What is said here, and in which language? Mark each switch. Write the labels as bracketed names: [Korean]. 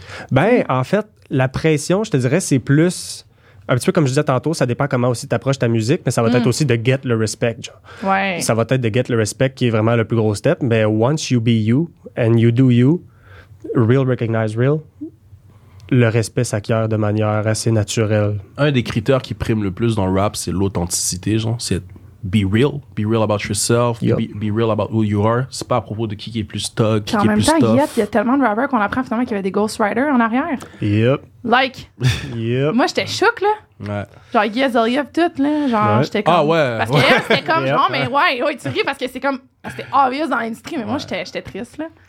[French] Ben, en fait, la pression, je te dirais, c'est plus... Un petit peu comme je disais tantôt, ça dépend comment aussi t'approches ta musique, mais ça va être aussi de get le respect, genre. Ouais. Ça va être de get le respect qui est vraiment le plus gros step, mais [English] once you be you and you do you, real recognize real, [French] le respect s'acquiert de manière assez naturelle. Un des critères qui prime le plus dans le rap, c'est l'authenticité, genre. C'est [English] be real about yourself, be real about who you are. [French] C'est pas à propos de qui est plus thug, qui est plus tough. En même temps, il y a tellement de rappers qu'on apprend finalement qu'il y avait des ghostwriters en arrière. [English] Yep. Like, yep. [French] Moi, j'étais shook, là. Ouais. Genre, Yazel Yop, tout, là. Genre, j'étais comme. Ah ouais. Parce que elle, c'était comme, genre, mais ouais, tu ris parce que c'est comme. C'était obvious dans l'industrie, mais moi, j'étais triste, là.